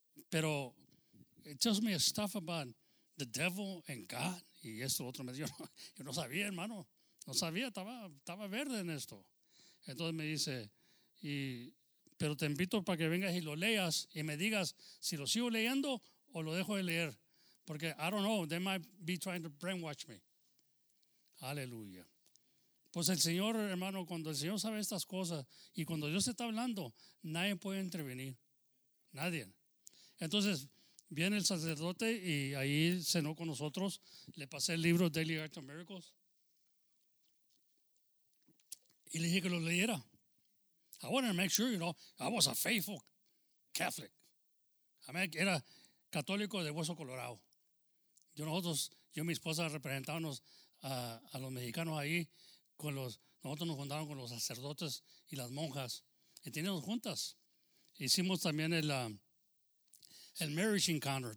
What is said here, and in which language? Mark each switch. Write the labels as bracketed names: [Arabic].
[Spanish] Pero [English] it tells me stuff about the devil and God. [Spanish] Y esto otro me dijo, yo no sabía, hermano. No sabía, estaba verde en esto. Entonces me dice, pero te invito para que vengas y lo leas y me digas si lo sigo leyendo o lo dejo de leer. Porque [English] I don't know, they might be trying to brainwash me. [Spanish] Aleluya. Pues el Señor, hermano, cuando el Señor sabe estas cosas y cuando Dios está hablando, nadie puede intervenir. Nadie. Entonces, viene el sacerdote y ahí cenó con nosotros. Le pasé el libro Daily Act of Miracles. Y le dije que lo leyera. [English] I wanted to make sure, you know, I was a faithful Catholic. I mean, [Spanish] era católico de hueso colorado. Yo y mi esposa representábamos a los mexicanos ahí, nosotros nos juntaron con los sacerdotes y las monjas, y teníamos juntas. Hicimos también el Marriage Encounter.